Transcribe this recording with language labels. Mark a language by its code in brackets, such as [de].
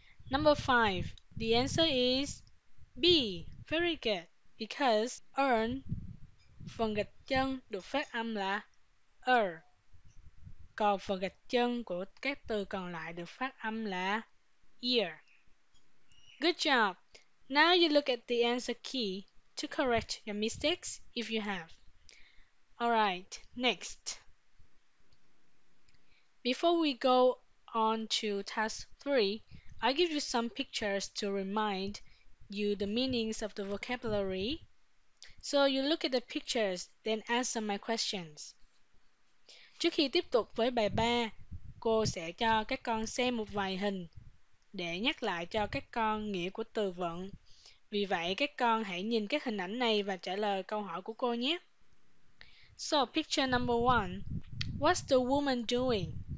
[en] Number 5. The answer is B. Very good. Because [vi] earn, phần gạch chân được phát âm là er. Còn phần gạch chân của các từ còn lại được phát âm là ear. [en] Good job. Now you look at the answer key to correct your mistakes if you have. Alright, next. Before we go on to task 3, I'll give you some pictures to remind you the meanings of the vocabulary. So you look at the pictures, then answer my questions. [vi] Trước khi tiếp tục với bài 3, cô sẽ cho các con xem một vài hình để nhắc lại cho các con nghĩa của từ vựng. Vì vậy, các con hãy nhìn các hình ảnh này và trả lời câu hỏi của cô nhé. [en] So, picture number 1. What's the woman doing?